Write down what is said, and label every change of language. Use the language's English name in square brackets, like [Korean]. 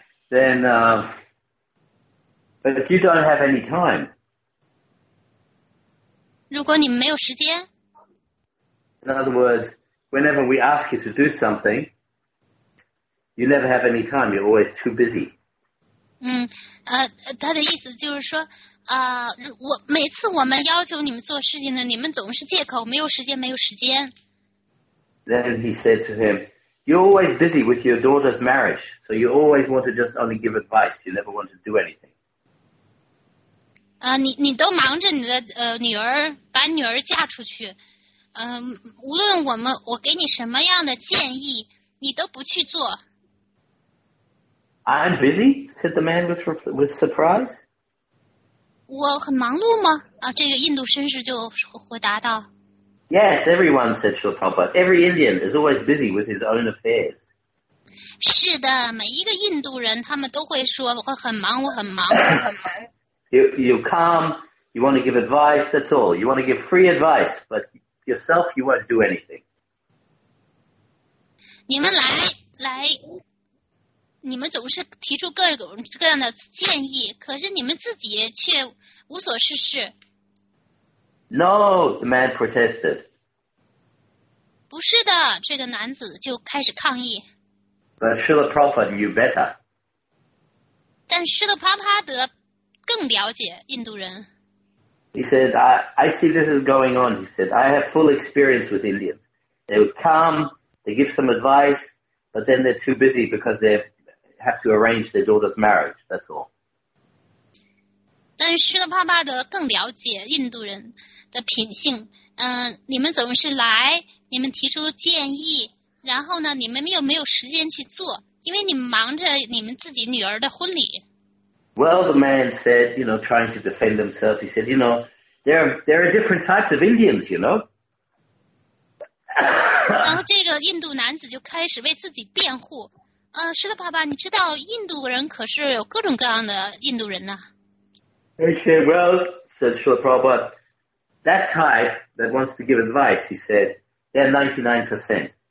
[English] Then, But if you don't have any time, [Chinese] 如果你们没有时间 [English] in other words, whenever we ask you to do something, you never have any time. You're always too busy. [Chinese] 他的意思就是说，我每次我们要求你们做事情呢，你们总是借口没有时间，没有时间。 [English] Then he said to him, "You're always busy with your daughter's marriage, so you always want to just only give advice. You never want to do anything." [Chinese] 你都忙着你的女儿把女儿嫁出去，无论我给你什么样的建议，你都不去做。 [English] I'm busy," said the man with surprise. [Chinese] 我很忙碌吗？这个印度绅士就回答道。 [English] Yes, everyone," said Srila Prabhupada. "Every Indian is always busy with his own affairs." [Chinese] 是的，每一个印度人他们都会说我很忙，我很忙，我很忙。 [English] You come, you want to give advice, that's all. You want to give free advice, but yourself, you won't do anything. [Chinese] 你们来，你们总是提出各种各样的建议，可是你们自己却无所事事。 [English] No, the man protested. [Chinese] 不是的，这个男子就开始抗议。 [English] But Srila Prabhupada knew better. [Chinese] 但Srila Prabhupada更了解印度人。 [English] He said, I see this is going on. He said, I have full experience with Indians. They would come, they give some advice, but then they're too busy because they have to arrange their daughter's marriage. That's all. [Chinese] 但是Srila Prabhupada更了解印度人的品性。你们总是来，你们提出建议，然后呢，你们又没有时间去做，因为你们忙着你们自己女儿的婚礼。 [English] Well, the man said, you know, trying to defend himself, he said, you know, there are different types of Indians, you know. [Chinese] 然后这个印度男子就开始为自己辩护。 Srila Prabhupada, 你知道印度人可是有各种各样的印度人呢。 [English] He said, well, said Srila Prabhupada, that type that wants to give advice, he said, they're 99%.